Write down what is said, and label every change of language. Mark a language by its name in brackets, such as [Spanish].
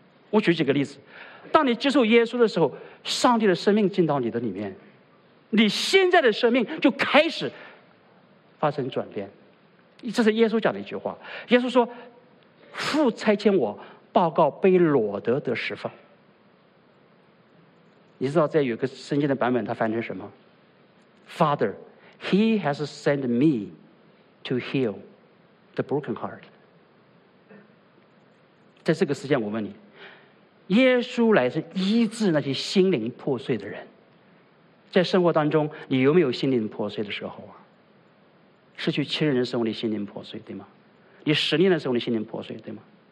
[Chinese] 我举几个例子，当你接受耶稣的时候，上帝的生命进到你的里面，你现在的生命就开始发生转变。这是耶稣讲的一句话，耶稣说父差遣我报告被掳得的释放。你知道在有个圣经的版本它翻成什么？ [English] Father, he has sent me to heal the broken heart. [Chinese] 在这个时间我问你，耶稣来是医治那些心灵破碎的人，在生活当中你有没有心灵破碎的时候啊？失去亲人的时候你心灵破碎，对吗？你失恋的时候你心灵破碎，对吗？